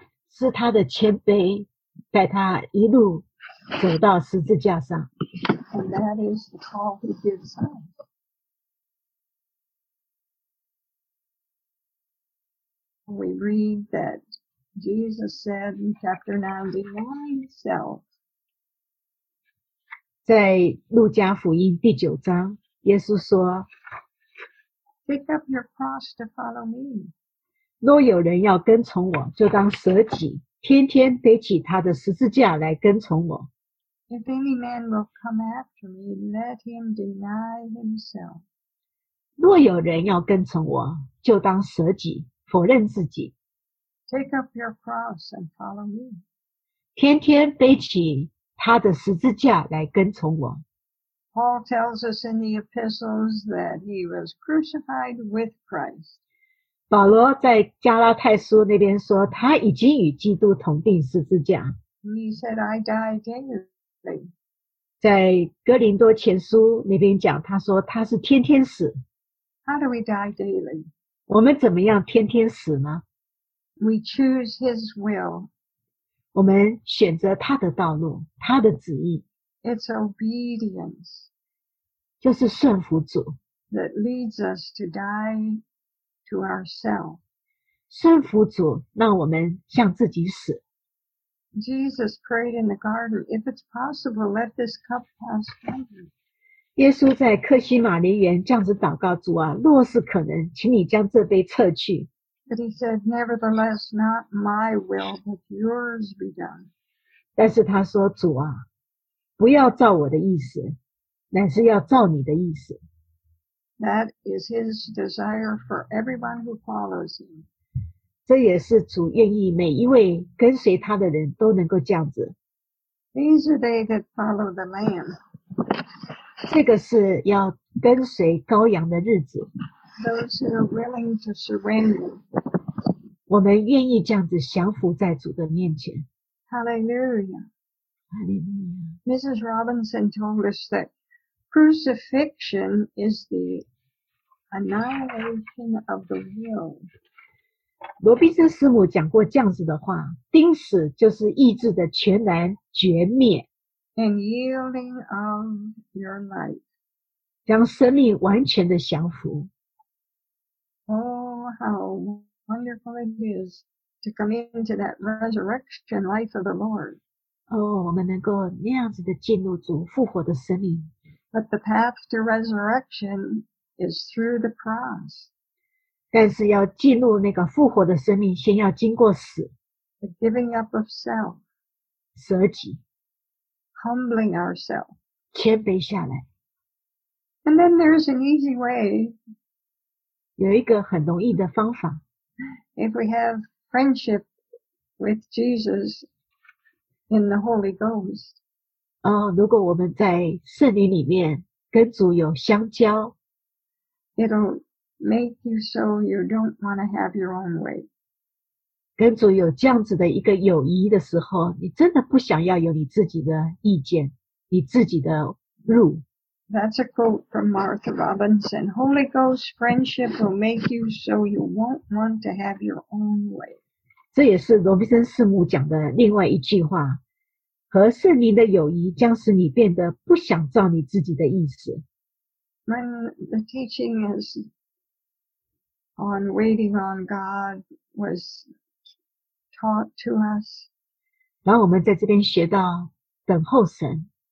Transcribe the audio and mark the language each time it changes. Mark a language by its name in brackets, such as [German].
[Chinese] 是他的谦卑带他一路走到十字架上。 [English] And that is the call he gives us. We read that Jesus said in chapter 9, deny self. [Chinese] 在路加福音第九章，耶稣说， [English] Pick up your cross to follow me. [Chinese] 若有人要跟从我，就当舍己，天天背起他的十字架来跟从我。 [English] If any man will come after me, let him deny himself. [Chinese] 若有人要跟从我，就当舍己，否认自己。 [English] Take up your cross and follow me. [Chinese] 天天背起他的十字架来跟从我。 [English] Paul tells us in the epistles that he was crucified with Christ. [Chinese] 保罗在加拉太书那边说他已经与基督同钉十字架。 [English] He said, I die daily. [Chinese] 在哥林多前书那边讲他说他是天天死。 [English] How do we die daily? [Chinese] 我们怎么样天天死呢？ [English] We choose his will. [Chinese] 我们选择他的道路，他的旨意。 [English] It's obedience, [Chinese] 就是顺服主 [English] that leads us to die to ourselves. [Chinese] 顺服主让我们向自己死。 [English] Jesus prayed in the garden, if it's possible, let this cup pass from me. [Chinese] 耶稣在客西马尼园这样子祷告主啊，若是可能，请你将这杯撤去。 [English] But he said, nevertheless, not my will, but yours be done. [Chinese] 但是他说，主啊，不要照我的意思，乃是要照你的意思。 [English] That is his desire for everyone who follows him. [Chinese] 这也是主愿意每一位跟随他的人都能够这样子。 [English] These are they that follow the Lamb. [Chinese] 这个是要跟随羔羊的日子。 [English] Those who are willing to surrender. [Chinese] 我们愿意这样子降服在主的面前。 [English] Hallelujah. Mrs. Robinson told us that crucifixion is the annihilation of the will. [Chinese] 罗宾森师母讲过这样子的话，钉死就是意志的全然绝灭。 [English] And yielding of your life. [Chinese] 将生命完全的降服。 [English] Oh, how wonderful it is to come into that resurrection life of the Lord. [Chinese] 我们能够那样子的进入主复活的生命。 [English] But the path to resurrection is through the cross. [Chinese] 但是要进入那个复活的生命，先要经过死。 [English] The giving up of self. [Chinese] 舍己。 [English] Humbling ourselves. [Chinese] 谦卑下来。 [English] And then there's an easy way. [Chinese] 有一个很容易的方法。 [English] If we have friendship with Jesus,In the Holy Ghost. [Chinese] 如果我们在圣灵里面跟主有相交， [English] It'll make you so you don't want to have your own way. [Chinese] 跟主有这样子的一个友谊的时候，你真的不想要有你自己的意见，你自己的路。 [English] That's a quote from Martha Robinson. Holy Ghost friendship will make you so you won't want to have your own way. [Chinese] 这也是罗宾森师母讲的另外一句话，和圣灵的友谊将使你变得不想照你自己的意思。 [English] When the teaching is on waiting on God was taught to us, [Chinese] 然后我们在这边学到等候神。